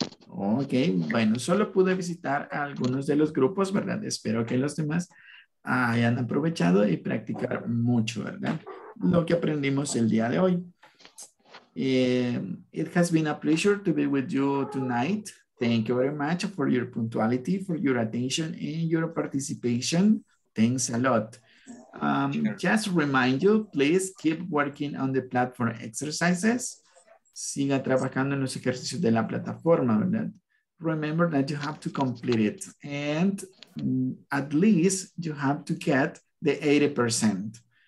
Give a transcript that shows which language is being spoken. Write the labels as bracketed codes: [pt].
[es] Ok, bueno, solo pude visitar algunos de los grupos, ¿verdad? Espero que los demás hayan aprovechado y practicar mucho, ¿verdad? Lo que aprendimos el día de hoy. [en] It has been a pleasure to be with you tonight. Thank you very much for your punctuality, for your attention, and your participation. Thanks a lot. Just remind you, please keep working on the platform exercises. [es] Siga trabajando en los ejercicios de la plataforma, ¿verdad? [en] Remember that you have to complete it. And at least you have to get the 80%.